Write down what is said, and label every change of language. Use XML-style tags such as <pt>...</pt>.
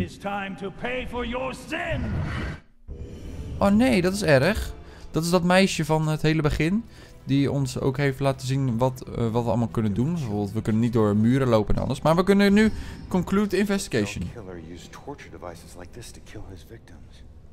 <en>It is time to pay for your sin.</en> <nl>Oh nee, dat is erg. Dat is dat meisje van het hele begin. Die ons ook heeft laten zien wat we allemaal kunnen doen. Bijvoorbeeld, we kunnen niet door muren lopen en alles. Maar we kunnen nu</nl> <en>conclude the investigation. The killer used torture devices like this to kill his victims.</en>